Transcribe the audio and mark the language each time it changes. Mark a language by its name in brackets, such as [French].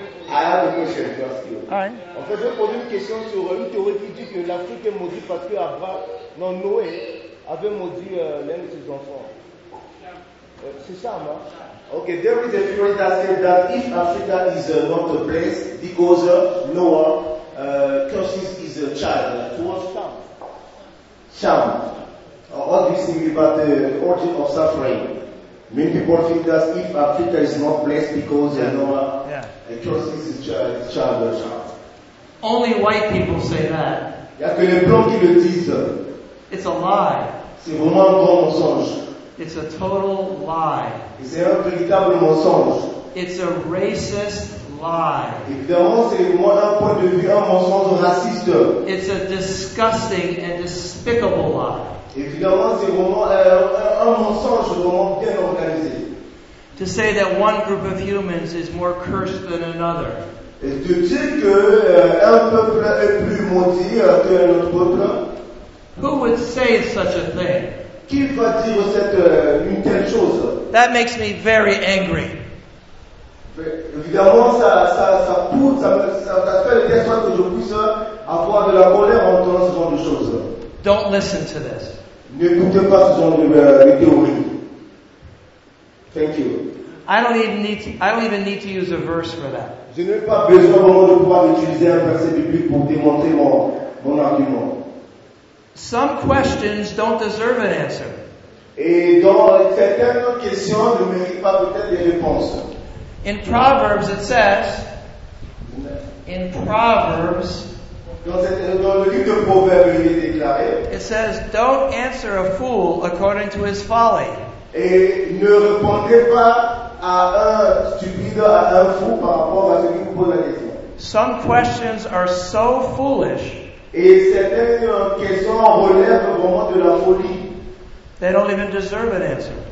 [French] S'il te plaît, je voulais poser une question. En fait, je vais poser une question sur une théorie qui dit que l'Afrique est maudite parce que Noé avait maudit l'un de ses enfants. C'est ça, non? [English] Okay, there is a theory that says that if Africa is not a place, because Noah curses his child. Towards Cham. Cham. All this thing about the origin of suffering. Many people think that if Africa is not blessed because Noah curses his child, Cham. Only white people say that. [French] Il y a que les blancs qui le disent. [English] It's a lie. [French] C'est vraiment un grand mensonge. [English] It's a total lie. [French] C'est un véritable mensonge. [English] It's a racist lie. [French] Évidemment, c'est moi d'un point de vue un mensonge raciste. [English] It's a disgusting and despicable lie. [French] Évidemment, c'est vraiment un mensonge vraiment bien organisé. [English] To say that one group of humans is more cursed than another. [French] Et de dire que un peuple est plus maudit que un autre peuple. [English] Who would say such a thing? [French] Qui va dire cette une telle chose? [English] That makes me very angry. [French] Évidemment, ça pousse, ça fait de sorte que je puisse avoir de la colère en entendant ce genre de choses. [English] Don't listen to this. [French] N'écoutez pas ce genre de théorie. [English] Thank you. I don't even need to use a verse for that. [French] Je n'ai pas besoin vraiment de pouvoir utiliser un verset biblique pour démontrer mon argument. [English] Some questions don't deserve an answer. [French] Et dans certaines questions, ne méritent pas peut-être des réponses. [English] In Proverbs, it says. In Proverbs. [French] Dans le livre de Proverbes, il est déclaré. [English] It says, "Don't answer a fool according to his folly." [French] Et ne répondez pas à un stupide, à un fou par rapport à ce qui vous pose la question. [English] Some questions are so foolish. Et certaines questions relèvent vraiment de la folie. They don't even deserve an answer.